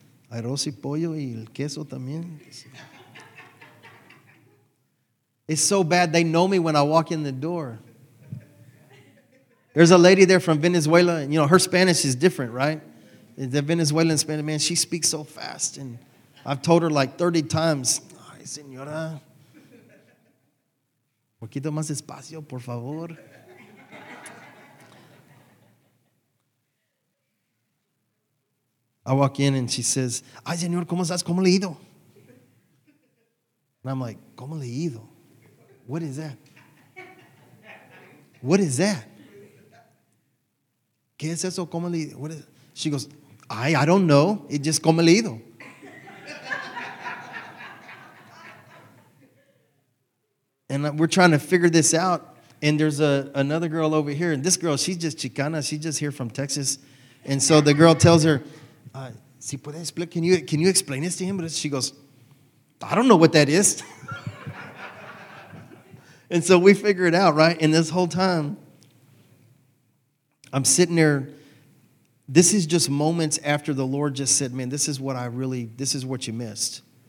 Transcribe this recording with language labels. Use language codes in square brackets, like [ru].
[es] Arroz y pollo y el queso también. [en] It's so bad they know me when I walk in the door. There's a lady there from Venezuela, and you know, her Spanish is different, right? The Venezuelan Spanish, man, she speaks so fast, and I've told her like 30 times, [es] ay, señora, poquito más espacio, por favor. [en] I walk in, and she says, [es] ay, señor, ¿cómo estás? ¿Cómo leído? [en] And I'm like, [es] ¿cómo leído? [en] What is that? What is that? [es] ¿Qué es eso? ¿Cómo leído? [en] What is it? She goes, I don't know. It just [es] como leído. [en] And we're trying to figure this out. And there's another girl over here. And this girl, she's just Chicana. She's just here from Texas. And so the girl tells her, ¿Sí puede explicar? Can you explain this to him? But she goes, I don't know what that is. And so we figure it out, right? And this whole time, I'm sitting there. This is just moments after the Lord just said, man, this is what you missed.